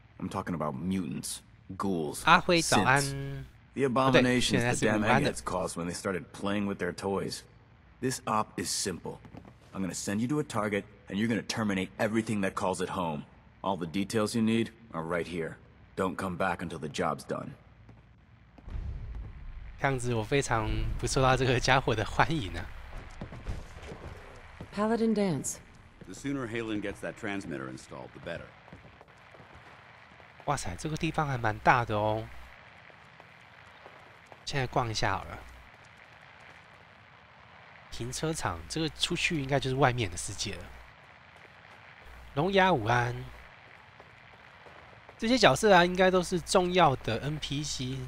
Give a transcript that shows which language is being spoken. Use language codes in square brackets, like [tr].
[en] I'm talking about mutants, ghouls, synths. The abominations the damn eggheads caused when they started playing with their toys. This op is simple. I'm gonna send you to a target, and you're gonna terminate everything that calls it home. All the details you need are right here. Don't come back until the job's done. [zh] 这样子我非常不受到这个家伙的欢迎啊。 [en] Paladin Dance. The sooner Aelin gets that transmitter installed, the better. [zh] 哇塞，这个地方还蛮大的哦。现在逛一下好了。停车场，这个出去应该就是外面的世界了。龙牙武安，这些角色啊，应该都是重要的 NPC。